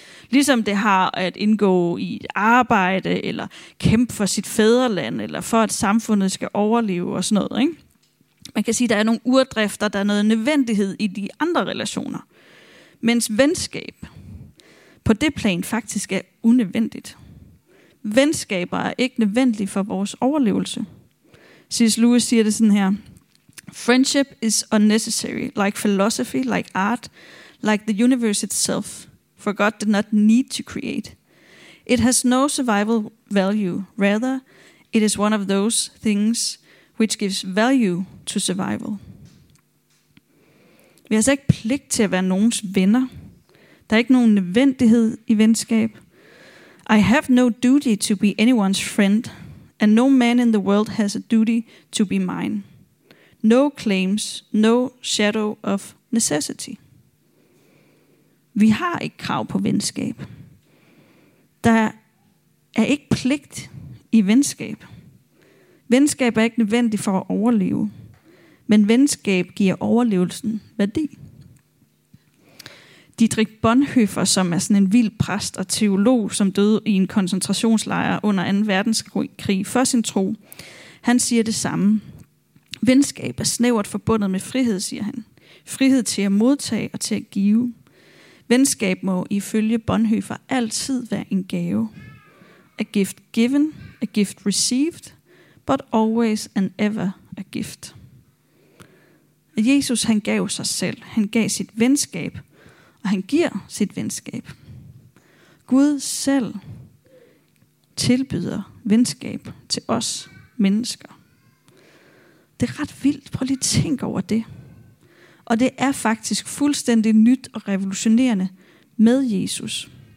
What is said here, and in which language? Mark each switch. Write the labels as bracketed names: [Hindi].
[Danish] Ligesom det har at indgå i et arbejde, eller kæmpe for sit fædreland, eller for at samfundet skal overleve og sådan noget. Ikke? Man kan sige, at der er nogle urdrifter, der er noget nødvendighed i de andre relationer. Mens venskab på det plan faktisk er unødvendigt. Venskaber er ikke nødvendige for vores overlevelse. C.S. Lewis siger det sådan her. [English] Friendship is unnecessary, like philosophy, like art, like the universe itself, for God did not need to create. It has no survival value, rather, it is one of those things which gives value to survival. [Danish] Vi har altså ikke pligt til at være nogens venner. Der er ikke nogen nødvendighed i venskab. [English] I have no duty to be anyone's friend, and no man in the world has a duty to be mine. No claims, no shadow of necessity. [Danish] Vi har ikke krav på venskab. Der er ikke pligt i venskab. Venskab er ikke nødvendigt for at overleve, men venskab giver overlevelsen værdi. Dietrich Bonhoeffer, som er sådan en vild præst og teolog, som døde i en koncentrationslejr under 2. verdenskrig for sin tro, han siger det samme. Venskab er snævert forbundet med frihed, siger han. Frihed til at modtage og til at give. Venskab må ifølge Bonhoeffer altid være en gave. [English] A gift given, a gift received, but always and ever a gift. [Danish] Jesus, han gav sig selv. Han gav sit venskab, og han giver sit venskab. Gud selv tilbyder venskab til os mennesker. Det er ret vildt. Prøv lige at tænke over det. Og det er faktisk fuldstændig nyt og revolutionerende med Jesus.